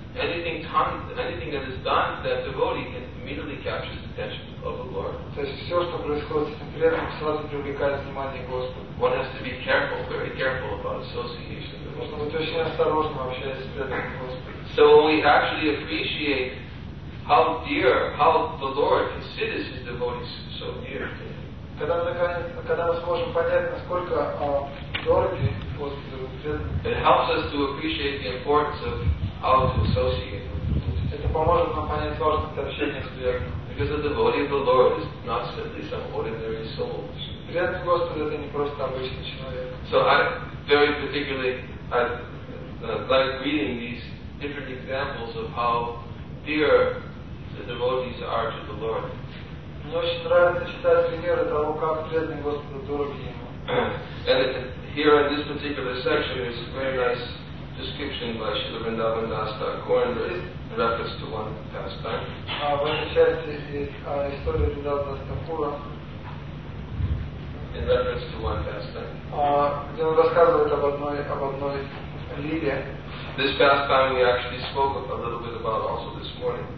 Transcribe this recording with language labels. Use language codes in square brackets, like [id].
[en] That anything that is done to that devotee immediately captures the attention of the Lord. [ru] То есть все, что происходит с этим преданным, сразу привлекает внимание Господа. [en] One has to be careful, very careful about association. [ru] Нужно быть очень осторожным, общаясь с преданным Господом. [en] So when we actually appreciate how dear, how the Lord considers His devotees so dear. [ru] Когда мы сможем понять, насколько дороги Господу, [en] it helps us to appreciate the importance of how to associate. [ru] Это поможет нам понять важность общения с преданным. [en] Because the devotee of the Lord is not simply some ordinary soul. [ru] Преданный Господу это не просто обычный человек. [en] So I very particularly like reading these different examples of how dear the devotees are to the Lord. [ru] Мне очень нравится читать примеры того, как преданный Господу дороги ему. [en] And here in this particular section is a very nice description by Śrīla Vṛndāvan Dāsa Thakura in reference to one pastime. [ru] В этой части есть история Vṛndāvan Dāsa Thakura. [en] In reference to one pastime. [ru] Где он рассказывает об одной лиле. [en] This past time we actually spoke a little bit about also this morning.